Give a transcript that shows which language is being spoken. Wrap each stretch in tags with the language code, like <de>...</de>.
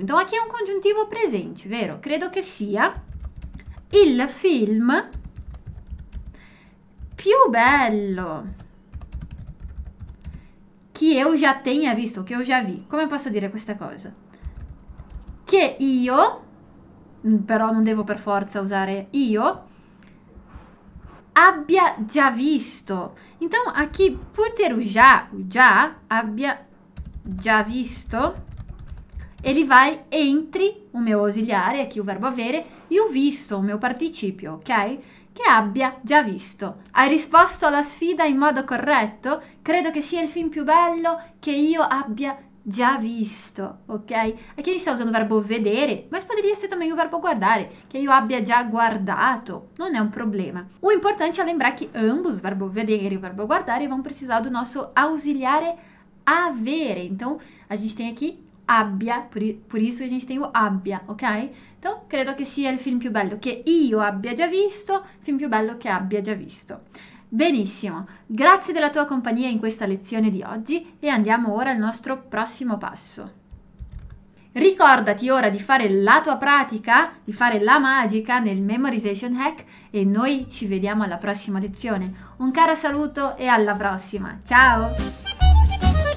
<pt>Então aqui</pt> <it>è un congiuntivo presente, vero? Credo che sia il film più bello che io già tenha visto, che io già vi. Come posso dire questa cosa? Che io, però non devo per forza usare io, abbia già visto.</it> <pt>Então aqui, por ter o già,</pt> <it>abbia già visto,</it> <pt>ele vai entre o meu ausiliare, aqui o verbo avere, e o visto, o meu participio, ok?</pt> <it>che abbia già visto. Hai risposto alla sfida in modo corretto? Credo che sia il film più bello che io abbia già visto, ok? E che mi sto usando il verbo vedere, ma potrebbe essere meglio il verbo guardare, che io abbia già guardato, non è un problema.</it> <pt>O importante è lembrar che ambos, verbo vedere e verbo guardare, vão precisar do nosso ausiliare avere. Então, a gente tem aqui abbia, por isso a gente tem o abbia, ok?</pt> <it>Então, credo che sia il film più bello che io abbia già visto, film più bello che abbia già visto. Benissimo, grazie della tua compagnia in questa lezione di oggi e andiamo ora al nostro prossimo passo. Ricordati ora di fare la tua pratica, di fare la magica nel Memorization Hack e noi ci vediamo alla prossima lezione. Un caro saluto e alla prossima, ciao!</it>